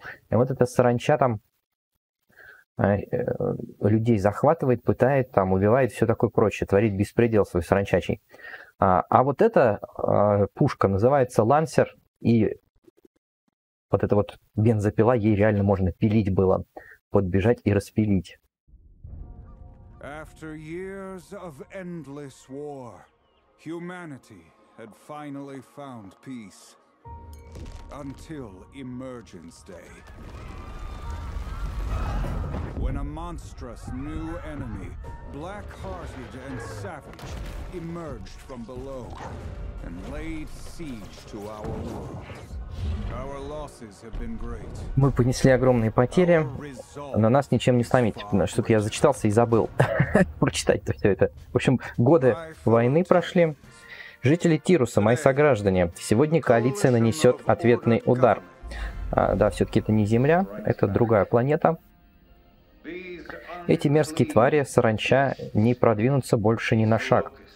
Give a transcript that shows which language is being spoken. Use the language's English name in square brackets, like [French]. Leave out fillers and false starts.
[Russian] И вот эта саранча там людей захватывает, пытает, там убивает, все такое прочее, творит беспредел свой саранчачий. А вот эта пушка называется Лансер, и вот эта вот бензопила, ей реально можно пилить было, подбежать и распилить. [English] After years of endless war, humanity had finally found peace. Until Emergence Day. When a monstrous new enemy, black-hearted and savage, emerged from below and laid siege to our world. Our losses have been great. [Russian] Мы понесли огромные потери, но нас ничем не сломить. Что-то я зачитался и забыл прочитать-то все это. В общем, годы войны прошли. Жители Тируса, мои сограждане, сегодня коалиция нанесет ответный удар. Да, все-таки это не Земля, это другая планета. Эти мерзкие твари, саранча, не продвинутся больше ни на шаг.